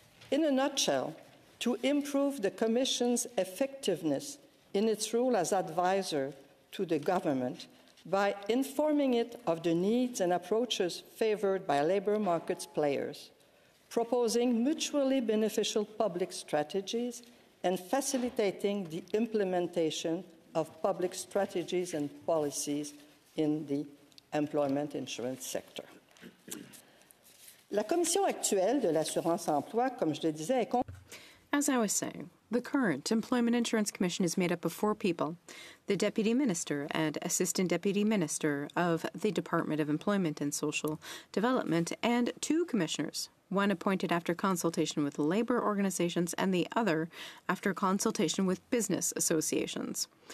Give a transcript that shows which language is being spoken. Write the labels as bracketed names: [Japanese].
[English] In a nutshell, to improve the Commission's effectiveness in its role as advisor to the government by informing it of the needs and approaches favored by labor markets players, proposing mutually beneficial public strategies, and facilitating the implementation of public strategies and policies in the employment insurance sector. [French] La commission actuelle de l'assurance emploi, comme je le disais, est... [English] As I was saying, the current Employment Insurance Commission is made up of four people, the Deputy Minister and Assistant Deputy Minister of the Department of Employment and Social Development, and two commissioners, one appointed after consultation with labor organizations and the other after consultation with business associations.